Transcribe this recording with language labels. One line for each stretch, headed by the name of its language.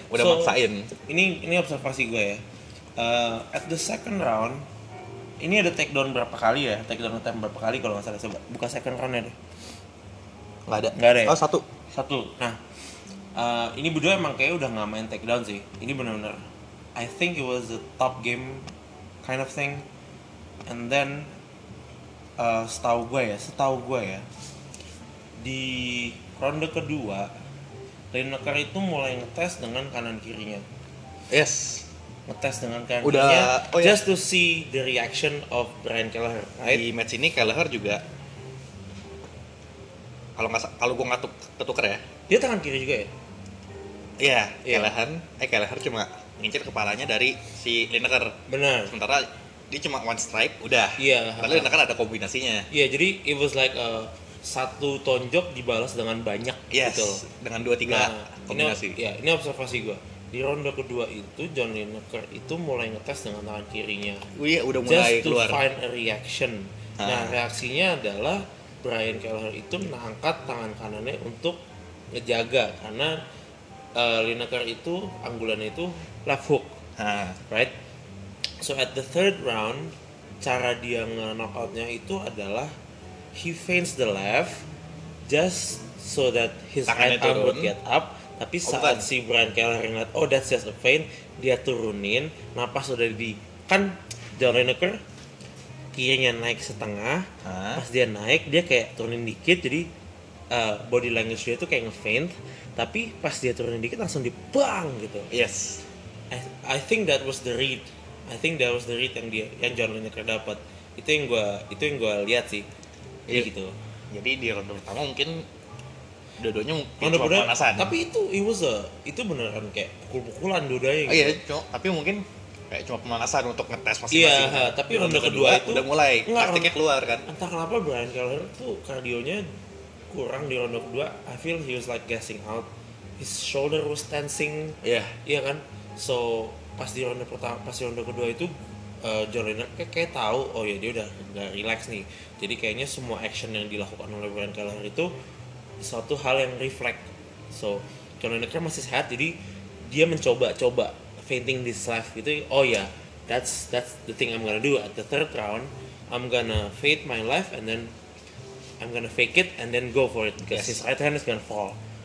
Indonesian: udah so, maksain. Ini observasi gue ya,
English: at the second round
Indonesian: ini ada takedown berapa kali ya? Takedown attempt berapa kali kalau gak salah, coba buka second roundnya deh. Gak ada. Gak ada ya? Oh satu. Satu. Nah, ini berdua emang kayaknya udah gak main takedown sih. Ini benar-benar
English: I think it was a top game kind of thing.
Indonesian: And then, setahu gue ya, di ronde kedua, Lineker itu mulai ngetes dengan kanan-kirinya.
English: Yes.
Indonesian: ngetes dengan kakinya
English: just to see the reaction of Brian Kelleher, right?
Indonesian: Di match ini Kelleher juga kalau gue nggak ketuker ya, dia tangan kiri juga ya. Iya, Kelleher Kelleher cuma ngincir kepalanya dari si Lineker. Benar. Sementara dia cuma one strike udah. Iya. Tapi Lineker ada kombinasinya. Iya, jadi
English: it was like a
Indonesian: satu tonjok dibalas dengan banyak. Yes, gitu. Dengan 2-3 kombinasi. Iya, ini observasi gue. Di ronde kedua itu John Lineker itu mulai ngetes dengan tangan kirinya. Oh iya, udah mulai
English: just
Indonesian: keluar.
English: Just to find a reaction.
Indonesian: Nah, reaksinya adalah Brian Kelleher itu mengangkat tangan kanannya untuk ngejaga karena Lineker itu anggulannya itu left hook, right?
English: So at the third round,
Indonesian: cara dia nge-knockoutnya itu adalah
English: he feints the left just so that his tangan right arm would get up.
Indonesian: Tapi saat si Brian Kelleher ngeliat,
English: oh that's just a feint,
Indonesian: dia turunin, napas udah di... Kan John Lineker kirinya naik setengah, pas dia naik dia kayak turunin dikit, jadi body language dia tuh kayak nge-feint. Tapi pas dia turunin dikit langsung dibang gitu.
English: Yes. I think that was the read. I think that was the read
Indonesian: yang dia, yang John Lineker dapat. Itu yang gua lihat sih. Jadi yeah, gitu. Jadi di ronde pertama mungkin dua-duanya mungkin cuma pemanasan. Tapi itu
English: it was a,
Indonesian: itu beneran kayak pukul-pukulan dua-duanya gitu. Iya, tapi mungkin kayak cuma pemanasan untuk ngetes masing-masing. Iya, tapi ronde kedua itu udah mulai plastiknya keluar kan. Entah kenapa Brian Kelleher tuh kardionya kurang di ronde kedua,
English: I feel he was like gassing out, his shoulder was tensing,
Indonesian: iya kan? So pas di ronde pertama, pas di ronde kedua itu, John Lineker kayak tahu, oh ya dia udah nggak relax nih, jadi kayaknya semua action yang dilakukan oleh Brian Kelleher itu suatu hal yang reflect, so John Lineker masih sehat, jadi dia mencoba-coba feinting this left gitu, oh ya,
English: that's the thing I'm gonna do at the third round, I'm gonna feint my left and then I'm gonna fake it and then go for it because his right hand is gonna fall.